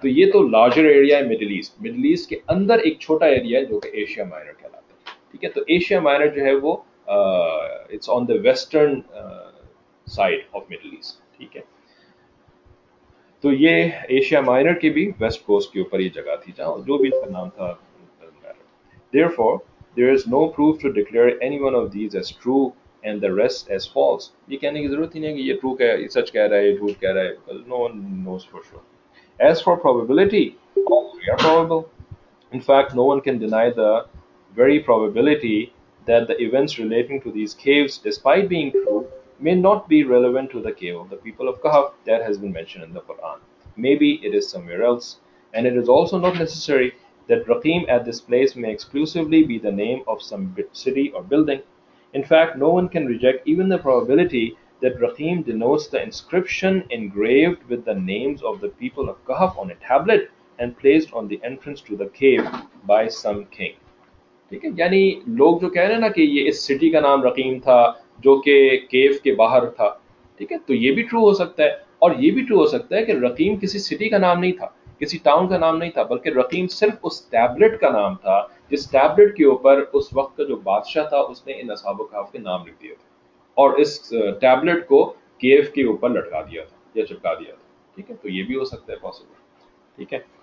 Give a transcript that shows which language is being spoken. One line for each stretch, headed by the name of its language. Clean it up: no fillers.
Urdu: تو یہ تو لارجر ایریا ہے مڈل ایسٹ. مڈل ایسٹ کے اندر ایک چھوٹا ایریا ہے جو کہ ایشیا مائنر کہلاتا ہے، ٹھیک ہے؟ تو ایشیا مائنر جو ہے وہ
English: it's on the western side of Middle East,
Urdu: ٹھیک ہے؟ تو یہ ایشیا مائنر کے بھی ویسٹ کوسٹ کے اوپر یہ جگہ تھی، جہاں جو بھی اس کا نام تھا.
English: Therefore there is no proof to declare any one of these as true and the rest as false.
Urdu: یہ کہنے کی ضرورت ہی نہیں کہ یہ ٹرو کہہ، یہ سچ کہہ رہا ہے، یہ جھوٹ کہہ رہا ہے.
English: No one knows for sure. As far probability, or probable, in fact no one can deny the very probability that the events relating to these caves despite being true may not be relevant to the cave of the people of Kahf that has been mentioned in the Quran. Maybe it is somewhere else. And it is also not necessary that Raqim at this place may exclusively be the name of some city or building. In fact, no one can reject even the probability that Raqim denotes the inscription engraved with the names of the people of Kahf on a tablet and placed on the entrance to the cave by some king. Okay?
Urdu: Yani, log jo keh rahe na ki ye is city ka naam Raqim tha, جو کہ کیف کے باہر تھا، ٹھیک ہے، تو یہ بھی ٹرو ہو سکتا ہے. اور یہ بھی ٹرو ہو سکتا ہے کہ رقیم کسی سٹی کا نام نہیں تھا، کسی ٹاؤن کا نام نہیں تھا، بلکہ رقیم صرف اس ٹیبلٹ کا نام تھا جس ٹیبلٹ کے اوپر اس وقت کا جو بادشاہ تھا اس نے ان اصحاب کہف کے نام لکھ دیا تھا، اور اس ٹیبلٹ کو کیف کے اوپر لٹکا دیا تھا یا چپکا دیا تھا، ٹھیک ہے؟ تو یہ بھی ہو سکتا ہے، پاسبل، ٹھیک ہے.